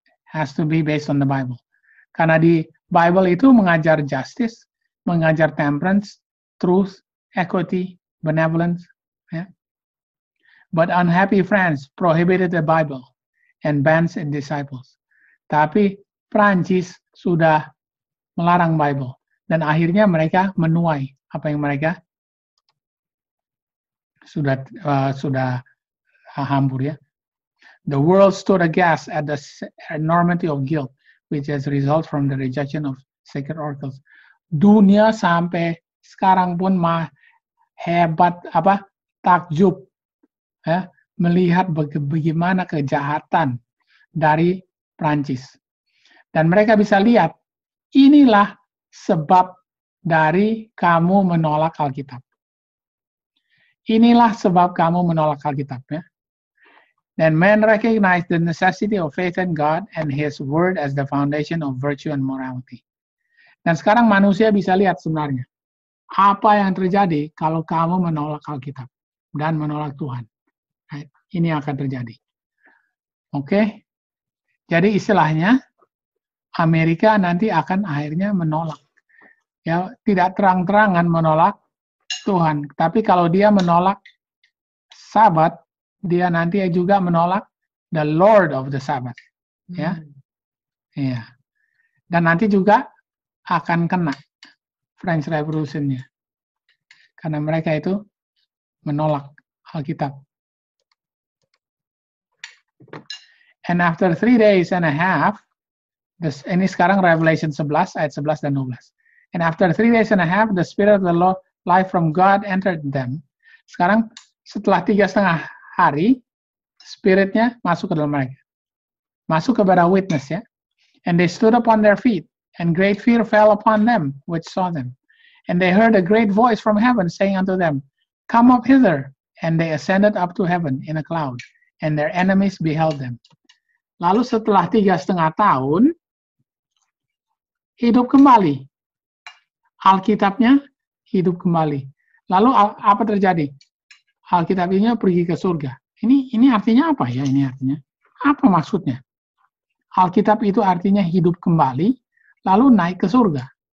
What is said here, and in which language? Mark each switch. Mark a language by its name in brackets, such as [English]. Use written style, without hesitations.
[English] Has to be based on the Bible. [Indonesian] Karena di Bible itu mengajar justice, mengajar temperance, truth, equity, benevolence. Yeah. [English] But unhappy France prohibited the Bible and banned its disciples. [Indonesian] Tapi Prancis sudah melarang Bible. Dan akhirnya mereka menuai apa yang mereka sudah hambur ya. [English] The world stood aghast at the enormity of guilt, which has resulted from the rejection of sacred oracles. [Indonesian] Dunia sampai sekarang pun hebat apa takjub ya, melihat bagaimana kejahatan dari Prancis. Dan mereka bisa lihat inilah sebab dari kamu menolak Alkitab. Inilah sebab kamu menolak Alkitab ya. [English] Then men recognize the necessity of faith in God and his word as the foundation of virtue and morality. [Indonesian] Dan sekarang manusia bisa lihat sebenarnya apa yang terjadi kalau kamu menolak Alkitab dan menolak Tuhan. Ini akan terjadi. Oke. Jadi istilahnya Amerika nanti akan akhirnya menolak. Ya, tidak terang-terangan menolak Tuhan, tapi kalau dia menolak Sabat, dia nanti juga menolak [English] the Lord of the Sabbath. [Indonesian] Ya. Hmm. Ya. Dan nanti juga akan kena French Revolution-nya. Karena mereka itu menolak Alkitab. [English] And after 3 days and a half, this, [Indonesian] ini sekarang Revelation 11, ayat 11 dan 12. [English] And after 3 days and a half, the spirit of the Lord, life from God entered them. [Indonesian] Sekarang setelah 3.5 hari, spiritnya masuk ke dalam mereka. Masuk kepada witness ya. [English] And they stood upon their feet, and great fear fell upon them which saw them. And they heard a great voice from heaven saying unto them, come up hither. And they ascended up to heaven in a cloud, and their enemies beheld them. [Indonesian] Lalu setelah 3.5 tahun, hidup kembali. Alkitabnya hidup kembali. Lalu apa terjadi? Alkitabnya pergi ke surga. Ini artinya apa ya? Ini artinya apa maksudnya? Alkitab itu artinya hidup kembali, lalu naik ke surga.